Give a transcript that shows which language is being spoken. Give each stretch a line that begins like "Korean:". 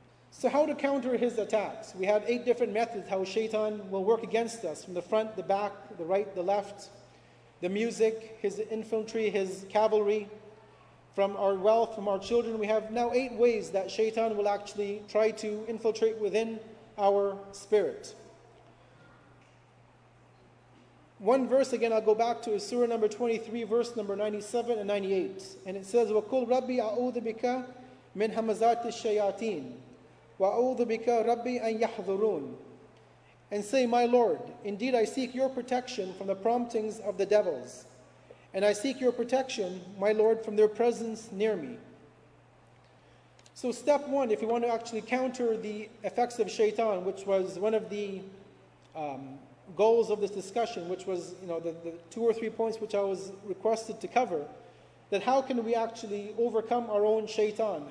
English: So how to counter his attacks? We have eight different methods how shaitan will work against us, from the front, the back, the right, the left, the music, his infantry, his cavalry. From our wealth, from our children, we have now eight ways that shaitan will actually try to infiltrate within our spirit. One verse again, I'll go back to, is Surah number 23, verse number 97 and 98. And it says,
Arabic: وَقُلْ رَبِّي أَعُوذُ بِكَ مِنْ هَمَزَاتِ الشَّيَاطِينِ وَأَعُوذُ بِكَ رَبِّي أَنْ يَحْذُرُونَ.
English: And say, My Lord, indeed I seek your protection from the promptings of the devils. And I seek your protection, my Lord, from their presence near me. So step one, if you want to actually counter the effects of shaitan, which was one of the goals of this discussion, which was the two or three points which I was requested to cover, that how can we actually overcome our own shaitan?